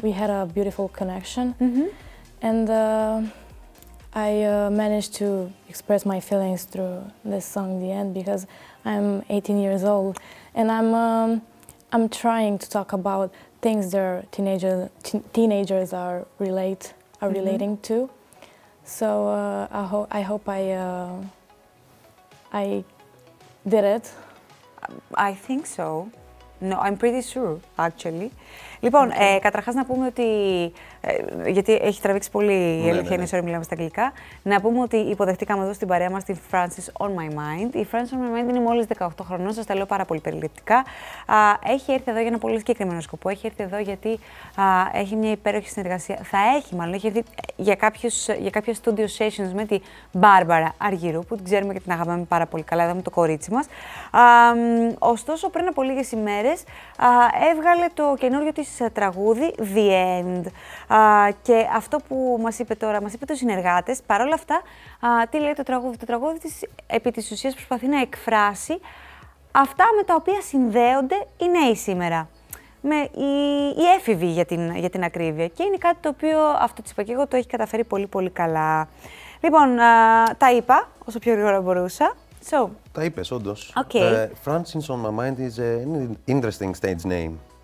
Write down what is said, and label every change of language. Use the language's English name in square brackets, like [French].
[English] We had a beautiful connection, and I managed to express my feelings through this song, The End, because I'm 18 years old, and I'm trying to talk about things that teenagers are relating to. So I hope I did it. I think so. No, I'm pretty sure, actually. [Greek] Λοιπόν, okay. Καταρχάς να πούμε ότι, γιατί έχει τραβήξει πολύ η αλήθεια, είναι ωραία, μιλάμε στα αγγλικά, να πούμε ότι υποδεχτήκαμε εδώ στην παρέα μας την Frances On My Mind. Η Frances On My Mind είναι μόλις 18 χρονών, σας τα λέω πάρα πολύ περιληπτικά. Έχει έρθει εδώ για ένα πολύ συγκεκριμένο σκοπό. Έχει έρθει εδώ γιατί έχει μια υπέροχη συνεργασία. Θα έχει μάλλον, έχει έρθει για κάποια studio sessions με τη Μπάρμπαρα Αργυρού, που την ξέρουμε και την αγαπάμε πάρα πολύ καλά, εδώ με το κορίτσι μας. Ωστόσο, πριν από λίγες ημέρες, έβγαλε το καινούριο της τραγούδι The End. Και αυτό που μας είπε τώρα, μας είπε το συνεργάτες, παρόλα αυτά, τι λέει το τραγούδι. Το τραγούδι της επί της ουσίας προσπαθεί να εκφράσει αυτά με τα οποία συνδέονται οι νέοι σήμερα. Με οι έφηβοι για την ακρίβεια. Και είναι κάτι το οποίο, αυτό της είπα και εγώ, το έχει καταφέρει πολύ πολύ καλά. Λοιπόν, τα είπα όσο πιο γρήγορα μπορούσα. [English] So. [Greek] Τα είπες, όντως. [English] Okay. Francis On My Mind is an interesting stage name.